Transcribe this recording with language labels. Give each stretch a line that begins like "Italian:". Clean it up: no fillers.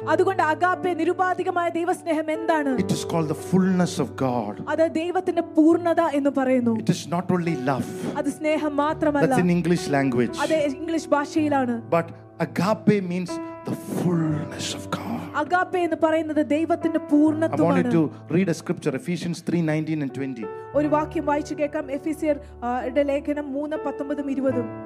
Malayalam: അതുകൊണ്ട് അഗാപ്പേ, നിരുപാധികമായ ദൈവസ്നേഹം എന്താണ്?
English: It is called the fullness of God.
Malayalam: അത് ദൈവത്തിന്റെ പൂർണ്ണത എന്ന് പറയുന്നു.
English: It is not only love.
Malayalam: അത് സ്നേഹം മാത്രമല്ല.
English: That's in English language.
Malayalam: അത് ഇംഗ്ലീഷ് ഭാഷയിലാണ്.
English: But agape means the fullness of God.
Malayalam: അഗാപ്പേ എന്ന് പറയുന്നത് ദൈവത്തിന്റെ പൂർണ്ണത്വമാണ്.
English: I want you to read a scripture, Ephesians 3:19 and 20.
Malayalam: ഒരു വാക്യം വായിച്ചു കേക്കാം, എഫീസ്യർ ടെ ലേഖനം 3:19 20.